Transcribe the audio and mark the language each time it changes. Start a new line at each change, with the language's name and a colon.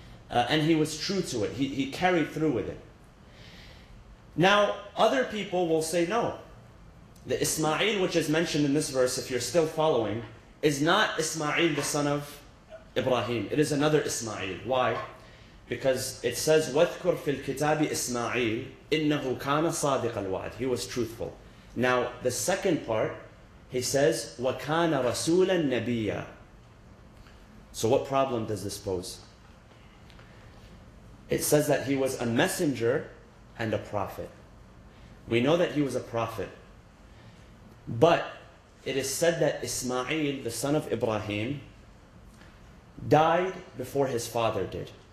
English: And he was true to it. He carried through with it. Now, other people will say no. The Ismail, which is mentioned in this verse, if you're still following, is not Ismail the son of Ibrahim. It is another Ismail. Why? Because it says,
Arabic: وَذْكُرْ فِي الْكِتَابِ إِسْمَعِيلِ إِنَّهُ كَانَ صَادِقَ الْوَعْدِ.
English: He was truthful. Now, the second part, he says,
Arabic: وَكَانَ رَسُولًا نَبِيًّا.
English: So what problem does this pose? It says that he was a messenger and a prophet. We know that he was a prophet. But it is said that Ismail, the son of Ibrahim, died before his father did.